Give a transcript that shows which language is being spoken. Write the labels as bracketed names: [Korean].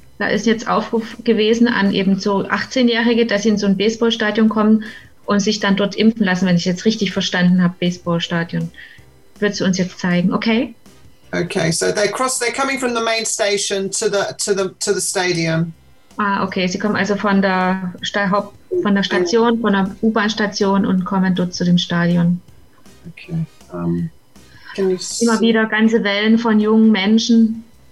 [German] Da ist jetzt Aufruf gewesen an eben so 18-Jährige, dass sie in so ein Baseballstadion kommen und sich dann dort impfen lassen, wenn ich jetzt richtig verstanden habe, Baseballstadion. Würdest du uns jetzt zeigen, okay? [English] Okay, so they're coming from the main station to the stadium. [German] Ah, okay, sie kommen also von der Station, von der U-Bahn-Station und kommen dort zu dem Stadion. Okay. Immer wieder ganze Wellen von jungen Menschen.